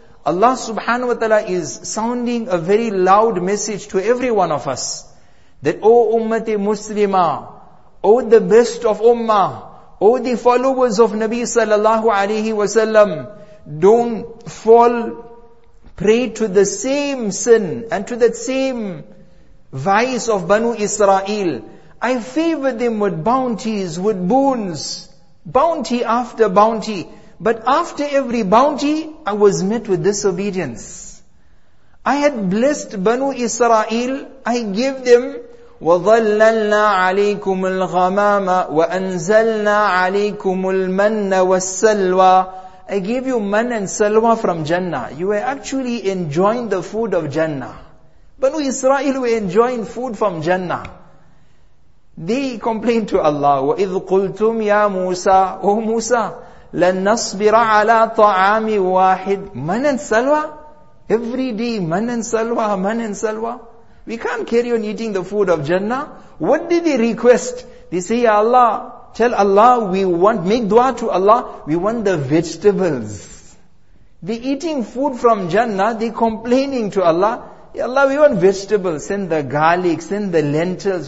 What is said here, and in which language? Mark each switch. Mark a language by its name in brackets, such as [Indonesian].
[English] Allah subhanahu wa ta'ala is sounding a very loud message to every one of us that, O ummati muslima, O the best of ummah, O the followers of Nabi sallallahu alayhi wa sallam, don't fall prey to the same sin and to that same vice of Banu Israel. I favor them with bounties, with boons, bounty after bounty. But after every bounty, I was met with disobedience. I had blessed Banu Israel. I gave them, [Arabic] وَظَلَّلْنَا عَلَيْكُمُ الْغَمَامَ وَأَنْزَلْنَا عَلَيْكُمُ الْمَنَّ وَالسَّلْوَى. [English] I gave you man and salwa from Jannah. You were actually enjoying the food of Jannah. Banu Israel were enjoying food from Jannah. They complained to Allah, [Arabic] وَإِذْ قُلْتُمْ يَا مُوسَىٰ, [English] O Musa, [Arabic] لَن نَصْبِرَ عَلَىٰ طَعَامِ وَاحِدٍ. [English] Man and salwa? Every day, man and salwa, man and salwa. We can't carry on eating the food of Jannah. What did they request? They say, Ya Allah, tell Allah, we want, make dua to Allah, we want the vegetables. They eating food from Jannah, they complaining to Allah, Ya Allah, we want vegetables, send the garlic, send the lentils.